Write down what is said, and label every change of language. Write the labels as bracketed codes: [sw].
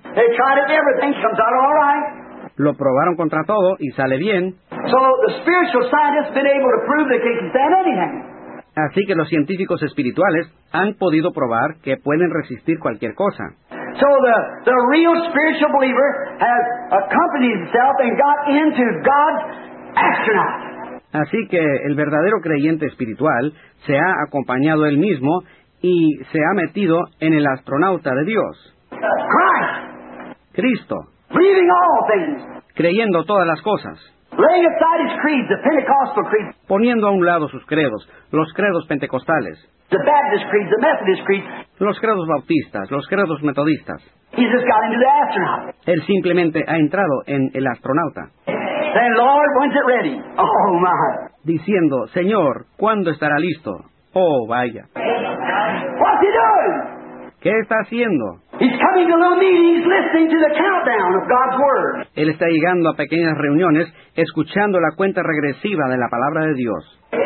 [en] They tried it, everything comes out all right. [es] Lo probaron contra todo y sale bien. [en] So the spiritual scientists been able to prove that they can stand anything. [es] Así que los científicos espirituales han podido probar que pueden resistir cualquier cosa. [en] So the real spiritual believer has accompanied himself and got into God's astronaut. [es] Así que el verdadero creyente espiritual se ha acompañado él mismo y se ha metido en el astronauta de Dios. [en] Christ. [es] Cristo. [en] Believing all things. [es] Creyendo todas las cosas. [en] Laying aside his creed, the Pentecostal creed. [es] Poniendo a un lado sus credos, los credos pentecostales. [en] The Baptist creed, the Methodist creed. [es] Los credos bautistas, los credos metodistas. [en] He just got into the astronaut. [es] Él simplemente ha entrado en el astronauta. [en] Then, Lord, when's it ready? Oh, my. [es] Diciendo, Señor, ¿cuándo estará listo? Oh, vaya. [en] What's he doing? [es] ¿Qué está haciendo? [en] He's coming to little meetings, listening to the countdown of God's Word. [es] Él está llegando a pequeñas reuniones, escuchando la cuenta regresiva de la Palabra de Dios.